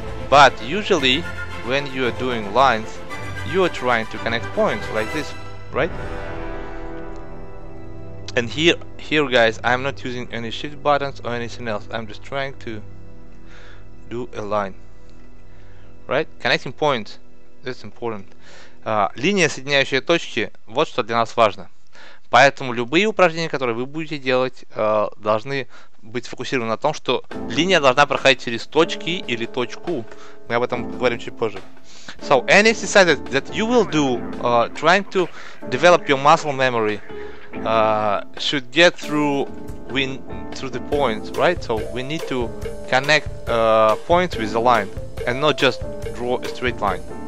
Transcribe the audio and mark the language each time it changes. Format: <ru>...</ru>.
<en>But usually, when you are doing lines, you are trying to connect points like this, right? And here, guys, I'm not using any shift buttons or anything else. I'm just trying to do a line, right? Connecting points. That's important.</en> <ru>Линия, соединяющая точки. Вот что для нас важно. Поэтому любые упражнения, которые вы будете делать, должны быть сфокусирован на том, что линия должна проходить через точки или точку. Мы об этом поговорим чуть позже.</ru> <en>So, any exercise that you will do trying to develop your muscle memory should get through through the points, right? So we need to connect points with the line and not just draw a straight line.</en>